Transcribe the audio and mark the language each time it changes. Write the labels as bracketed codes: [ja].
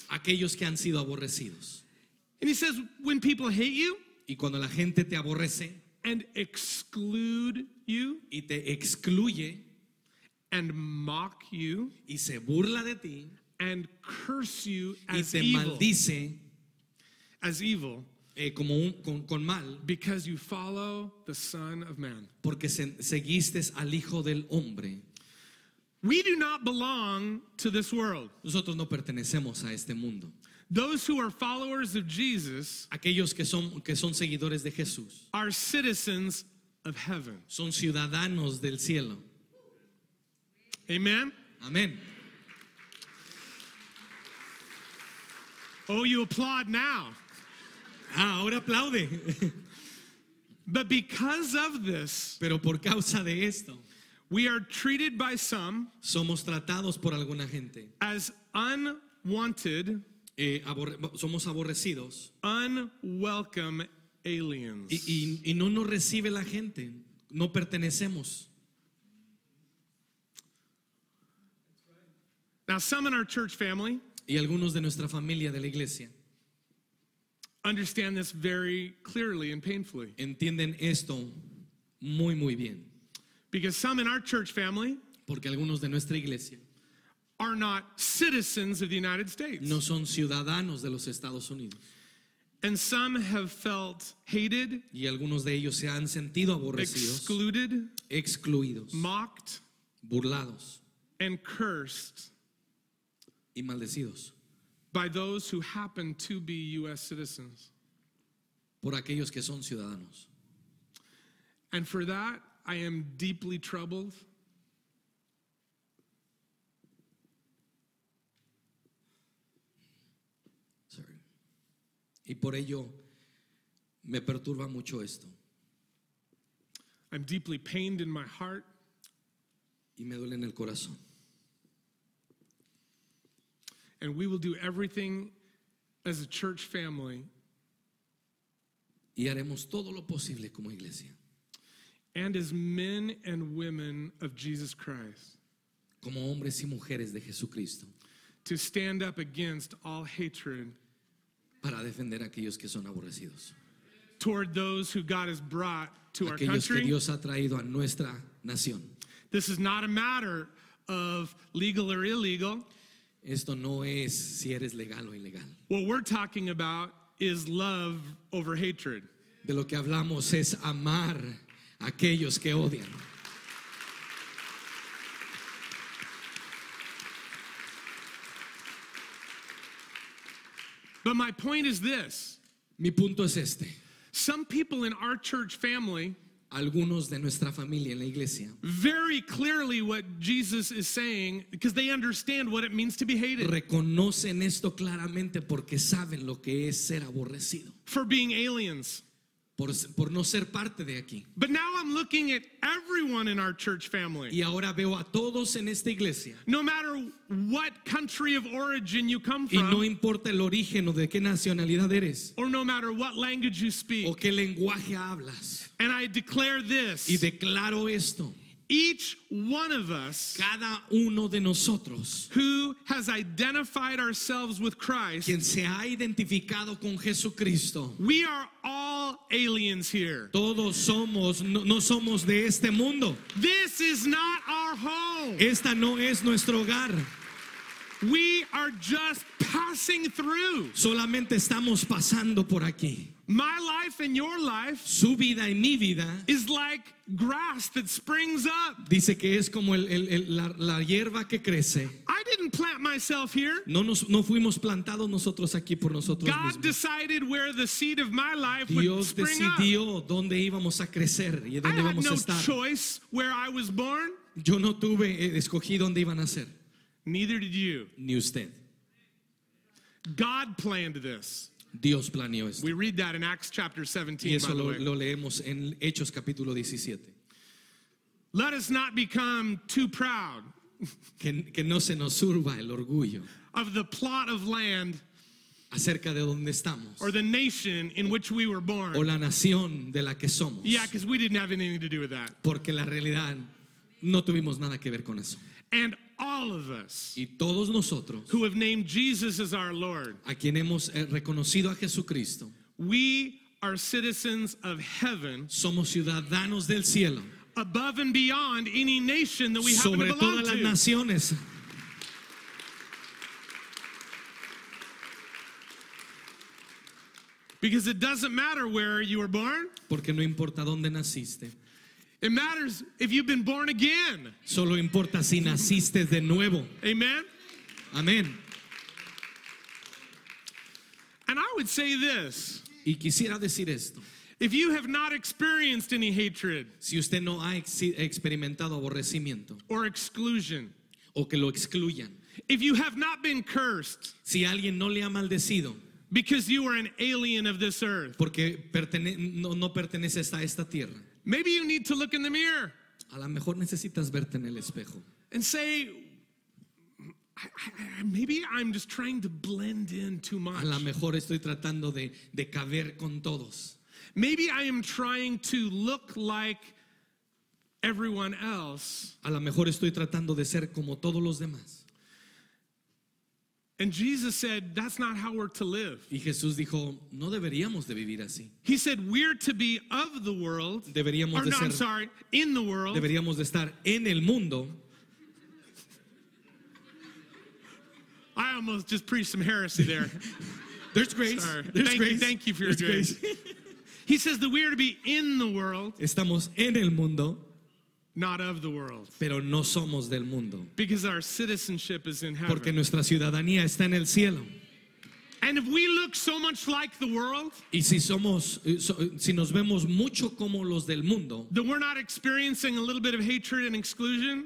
[es] Aquellos que han sido aborrecidos. [en] And he says, when people hate you. [es] Y cuando la gente te aborrece. [en] And exclude you. [es] Y te excluye. [en] And mock you. [es] Y se burla de ti. [en] And curse you as evil. [es] Y te maldice. [en] As evil. [es] Como con mal. [en] Because you follow the Son of Man. [es] Porque seguiste al Hijo del Hombre. [en] We do not belong to this world. [es] Nosotros no pertenecemos a este mundo. [en] Those who are followers of Jesus, [es] aquellos que son seguidores de Jesús, [en] are citizens of heaven. [es] Son ciudadanos del cielo. [en] Amen. [es] Amen. [en] Oh, you applaud now. [es] Ahora aplaude. [en] But because of this, [es] pero por causa de esto, [en] we are treated by some, [es] somos tratados por alguna gente, [en] as unwanted, [es] somos aborrecidos, [en] unwelcome aliens. [es] Y no nos recibe la gente, no pertenecemos. [en] Now some in our church family, [es] y algunos de nuestra familia de la iglesia, [en] understand this very clearly and painfully. [es] Entienden esto muy muy bien. [en] Because some in our church family, [es] porque algunos de nuestra iglesia, [en] are not citizens of the United States. [es] No son ciudadanos de los Estados Unidos. [en] And some have felt hated. [es] Y algunos de ellos se han sentido aborrecidos. [en] Excluded. [es] Excluidos. [en] Mocked. [es] Burlados. [en] And cursed. [es] Y maldecidos. [en] By those who happen to be U.S. citizens. [es] Por aquellos que son ciudadanos. [en] And for that, I am deeply troubled. Sorry. [es] Y por ello me perturba mucho esto. [en] I'm deeply pained in my heart. [es] Y me duele en el corazón. [en] And we will do everything as a church family. [es] Y haremos todo lo posible como iglesia. [en] And as men and women of Jesus Christ, [es] como hombres y mujeres de Jesucristo, [en] to stand up against all hatred, [es] para defender aquellos que son aborrecidos, [en] toward those who God has brought to our country, [es] aquellos que Dios ha traído a nuestra nación. [en] This is not a matter of legal or illegal. [es] Esto no es si eres legal o ilegal. [en] What we're talking about is love over hatred. [es] De lo que hablamos es amar a aquellos que odian. [en] But my point is this. [es] Mi punto es este. [en] Some people in our church family, [es] algunos de nuestra familia en la iglesia, [en] very clearly what Jesus is saying, because they understand what it means to be hated. [es] Reconocen esto claramente porque saben lo que es ser aborrecido. [en] For being aliens. [es] Por no ser parte de aquí. [en] But now I'm looking at everyone in our church family. [es] Y ahora veo a todos en esta iglesia. [en] No matter what country of origin you come from. [es] Y no importa el origen o de qué nacionalidad eres. [en] Or no matter what language you speak. [es] O qué lenguaje hablas. [en] And I declare this. [es] Y declaro esto. [en] Each one of us, [es] cada uno de nosotros, [en] who has identified ourselves with Christ, [es] quien se ha identificado con Jesucristo, [en] we are all aliens here. [es] Todos somos, no somos de este mundo. [en] This is not our home. [es] Esta no es nuestro hogar. [en] We are just passing through. [es] Solamente estamos pasando por aquí. [en] My life and your life, [es] su vida y mi vida, [en] is like grass that springs up. [es] Dice que es como la hierba que crece. [en] I didn't plant myself here. [es] No fuimos plantados nosotros aquí por nosotros [en] God [es] mismos. [en] God decided where the seed of my life [es] Dios [en] would spring [es] decidió [en] up. [es] Dónde íbamos a crecer y dónde [en] I [es] íbamos [en] had no [es] a estar. [en] Choice where I was born. [es] Yo no tuve escogí dónde iba a nacer. [en] Neither did you. [es] Ni usted. [en] God planned this. [es] Dios planeó esto. [en] We read that in Acts chapter 17, [es] y eso [en] by the way. [es] Lo leemos en Hechos capítulo 17. [en] Let us not become too proud [es] que no se nos surba el orgullo [en] of the plot of land [es] acerca de donde estamos, [en] or the nation in which we were born. [es] O la nación de la que somos. [en] Yeah, because we didn't have anything to do with that. [es] Porque la realidad no tuvimos nada que ver con eso. [en] And all of us, [es] y todos nosotros, [en] who have named Jesus as our Lord, [es] a quien hemos reconocido a Jesucristo, [en] we are citizens of heaven, [es] somos ciudadanos del cielo, [en] above and beyond any nation that we happen to belong to. [es] Sobre todas las naciones. [en] Because it doesn't matter where you were born. [es] Porque no importa dónde naciste. [en] It matters if you've been born again. [es] Solo importa si naciste de nuevo. [en] Amen. [es] Amen. [en] And I would say this. [es] Y quisiera decir esto. [en] If you have not experienced any hatred. [es] Si usted no ha experimentado aborrecimiento. [en] Or exclusion. [es] O que lo excluyan. [en] If you have not been cursed. [es] Si alguien no le ha maldecido. [en] Because you are an alien of this earth. [es] Porque no perteneces a esta tierra. [en] Maybe you need to look in the mirror. [es] A lo mejor necesitas verte en el espejo. [en] And say, maybe I'm just trying to blend in too much. [es] A lo mejor estoy tratando de caber con todos. [en] Maybe I am trying to look like everyone else. [es] A lo mejor estoy tratando de ser como todos los demás. [en] And Jesus said, that's not how we're to live. [es] Y Jesús dijo, no deberíamos de vivir así. [en] He said, we're to be of the world. [es] Deberíamos [en] or [es] de no, ser, [en] I'm sorry, in the world. [es] Deberíamos de estar en el mundo. [en] I almost just preached some heresy there. There's grace. Sorry. There's thank grace. You, thank you for your There's grace. Grace. He says that we are to be in the world. [es] Estamos en el mundo. [en] Not of the world. [es] Pero no somos del mundo. [en] Because our citizenship is in heaven. [es] Porque nuestra ciudadanía está en el cielo. [en] And if we look so much like the world, [es] y si nos vemos mucho como los del mundo, [en] then we're not experiencing a little bit of hatred and exclusion,